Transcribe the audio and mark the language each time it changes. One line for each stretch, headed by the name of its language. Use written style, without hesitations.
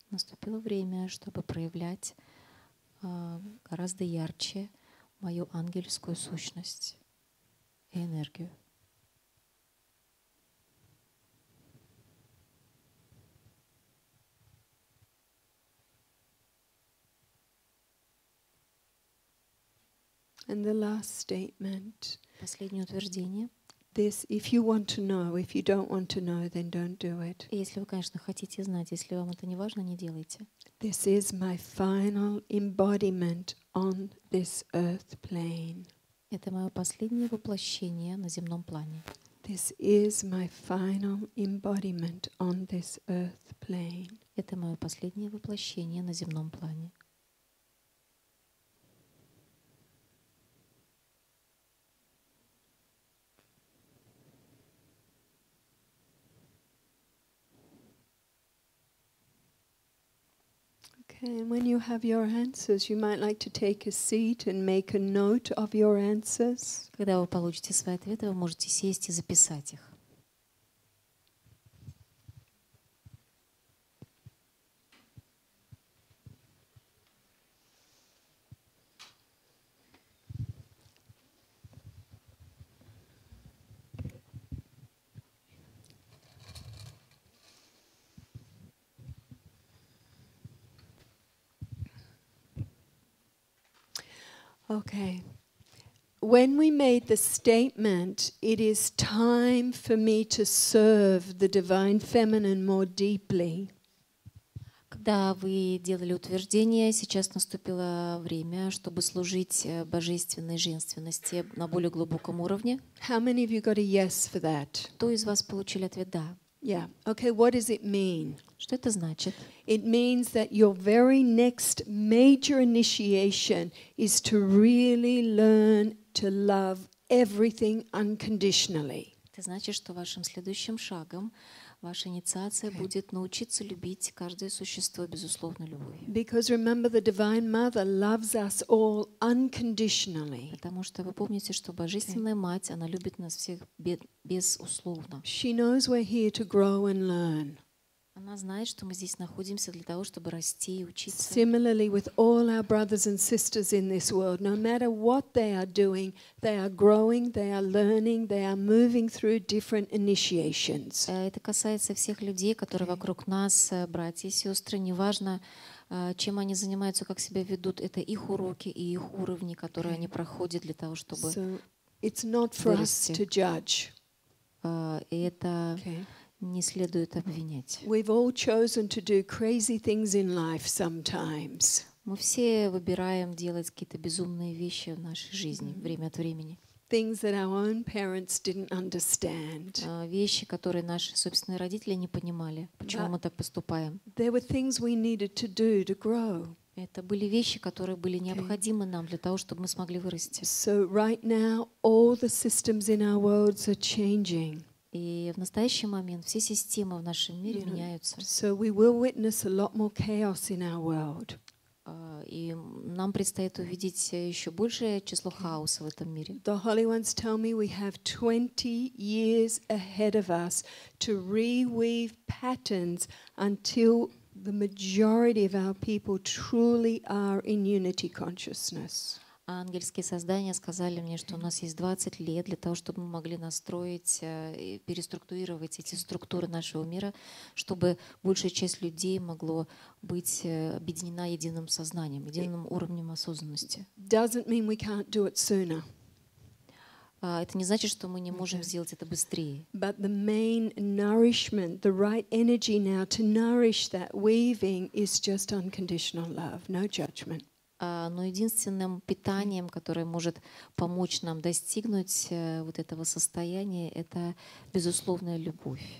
Russian: наступило время, чтобы проявлять гораздо ярче мою ангельскую сущность и энергию.
English: And the last statement.
Russian: Последнее утверждение.
English: This, if you want to know, if you don't want to know, then don't do it.
Russian: Если вы, конечно, хотите знать, если вам это не важно, не делайте.
English: This is my final embodiment on this earth plane.
Russian: Это мое последнее воплощение на земном плане.
English: This is my final embodiment on this earth plane.
Russian: Это мое последнее воплощение на земном плане.
English: And when you have your answers, you might like to take a seat and make a note of your answers.
Russian: Когда вы получите свои ответы, вы можете сесть и записать их.
English: Okay. When we made the statement, it is time for me to serve the divine feminine more deeply.
Russian: Когда вы делали утверждение, сейчас наступило время, чтобы служить божественной женственности на более глубоком уровне.
English: How many of you got a yes for that?
Russian: Кто из вас получил ответ да?
English: Yeah. Okay, what does it mean?
Russian: Что это значит?
English: It means that your very next major initiation is to really learn to love everything unconditionally.
Russian: Это значит, что вашим следующим шагом ваша инициация будет научиться любить каждое существо безусловной любовью.
English: Because remember, the Divine Mother loves us all unconditionally.
Russian: Потому что вы помните, что Божественная Мать, она любит нас всех безусловно.
English: She knows we're here to grow and learn.
Russian: Она знает, что мы здесь находимся для того, чтобы расти и учиться.
English: Similarly, with all our brothers and sisters in this world, no matter what they are doing, they are growing, they are learning, they are moving through different initiations.
Russian: Это касается всех людей, которые вокруг нас, братья и сестры. Неважно, чем они занимаются, как себя ведут, это их уроки и их уровни, которые они проходят для того, чтобы расти.
English: It's not for us to judge.
Russian: Это не следует обвинять.
English: We've all chosen to do crazy things in life sometimes.
Russian: Мы все выбираем делать какие-то безумные вещи в нашей жизни время от времени.
English: Things that our own parents didn't understand.
Russian: Вещи, которые наши собственные родители не понимали, почему мы так поступаем.
English: There were things we needed to do to grow.
Russian: Это были вещи, которые были необходимы нам для того, чтобы мы смогли вырасти.
English: So right now all the systems in our worlds are changing.
Russian: И в настоящий момент все системы в нашем мире меняются.
English: So we will witness a lot more chaos in our world.
Russian: И нам предстоит увидеть еще большее число хаоса в этом мире.
English: The Holy Ones tell me we have 20 years ahead of us to reweave patterns until the majority of our people truly are in unity consciousness.
Russian: Ангельские создания сказали мне, что у нас есть 20 лет для того, чтобы мы могли настроить и переструктурировать эти структуры нашего мира, чтобы большая часть людей могла быть объединена единым сознанием, единым уровнем осознанности.
English: Doesn't mean we can't do it sooner.
Russian: Это не значит, что мы не можем сделать это быстрее.
English: But the main nourishment, the right energy now to nourish that weaving is just unconditional love, no judgment.
Russian: Но единственным питанием, которое может помочь нам достигнуть вот этого состояния, это безусловная любовь.